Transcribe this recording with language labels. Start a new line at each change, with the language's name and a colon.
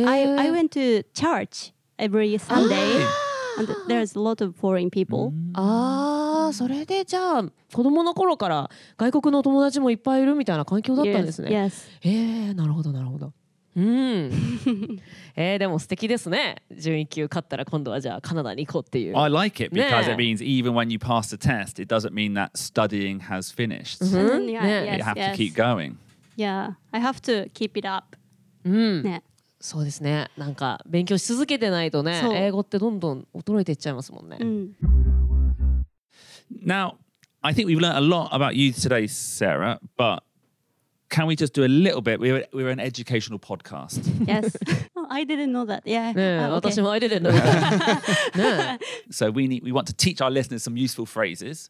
English: I went to church every Sunday. And there's a lot of foreign people.
Japanese: それでじゃあ子供の頃から外国の友達もいっぱいいるみたいな環境だったんですね。
English: Yes, yes.
Japanese: なるほどなるほど。でも素敵ですね。準一級勝ったら今度はじゃあカナダに行こうっていう。
English: I like it because、ね、it means even when you pass the test, it doesn't mean that studying has finished. Yeah, yes, you have to keep going. Yeah, I have to keep it up.
Japanese: ね。そうですね。なんか勉強し続けてないとね、英語ってどんどん衰えていっちゃいますもんね。
English: Now, I think we've learned a lot about you today, Sarah, but can we just do a little bit? We're an educational podcast. Yes. I didn't know that. Yeah. Yeah, okay.
Japanese: 私も
English: I didn't know that. So we want to teach our listeners some useful phrases.